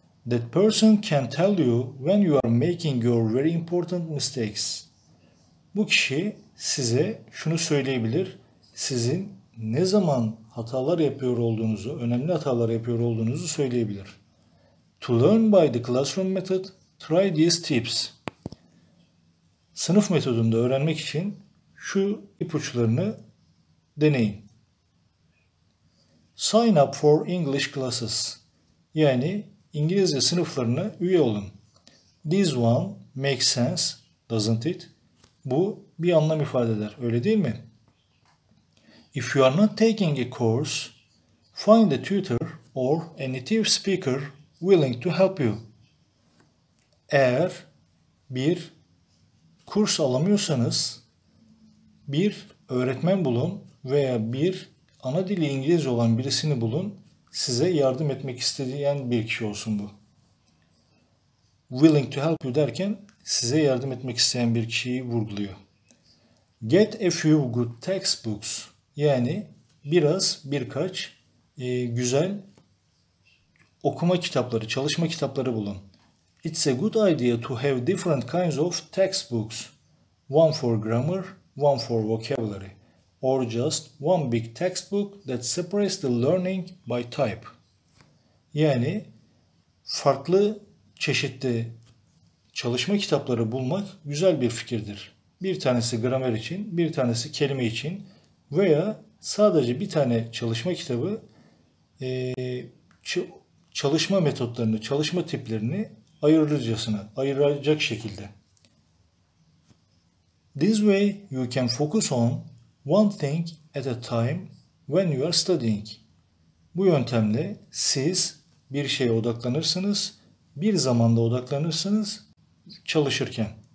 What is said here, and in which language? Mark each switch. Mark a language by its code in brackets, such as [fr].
[en] That person can tell you when you are making your very important mistakes. [tr] Bu kişi size şunu söyleyebilir. Sizin ne zaman önemli hatalar yapıyor olduğunuzu söyleyebilir. [en] To learn by the classroom method, try these tips. [tr] Sınıf metodunda öğrenmek için şu ipuçlarını deneyin. [en] Sign up for English classes. [tr] Yani İngilizce sınıflarına üye olun. [en] This one makes sense, doesn't it? [tr] Bu bir anlam ifade eder, öyle değil mi? [en] If you are not taking a course, find a tutor or a native speaker willing to help you. [tr] Eğer bir kurs alamıyorsanız bir öğretmen bulun veya bir ana dili İngilizce olan birisini bulun. Size yardım etmek isteyen bir kişi olsun bu. [en] Willing to help you [tr] derken size yardım etmek isteyen bir kişiyi vurguluyor. [en] Get a few good textbooks. [tr] Yani birkaç güzel okuma kitapları, çalışma kitapları bulun. [en] It's a good idea to have different kinds of textbooks. One for grammar, one for vocabulary. Or just one big textbook that separates the learning by type. [tr] Yani farklı çeşitli çalışma kitapları bulmak güzel bir fikirdir. Bir tanesi gramer için, bir tanesi kelime için veya sadece bir tane çalışma kitabı çalışma metotlarını, çalışma tiplerini ayıracak şekilde. [en] This way you can focus on one thing at a time when you are studying. [tr] Bu yöntemle siz bir şeye odaklanırsınız, bir zamanda odaklanırsınız çalışırken.